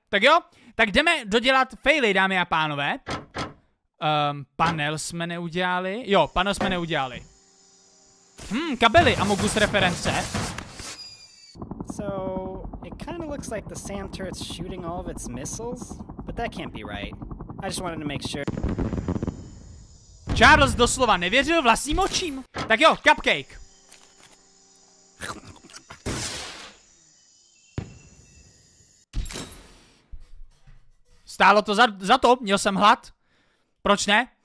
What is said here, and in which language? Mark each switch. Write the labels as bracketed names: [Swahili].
[Czech] Tak jo, tak jdeme dodělat faily, dámy a pánové. Panel jsme neudělali. Jo, panel jsme neudělali. Kabely Amogus reference. [English] So, it kind of looks like the SAM turret's shooting all of its missiles, but that can't be right. I just wanted to make sure. [Czech] Charles doslova nevěřil vlastním očím. Tak jo, cupcake. Stálo to za to, měl jsem hlad. Proč ne?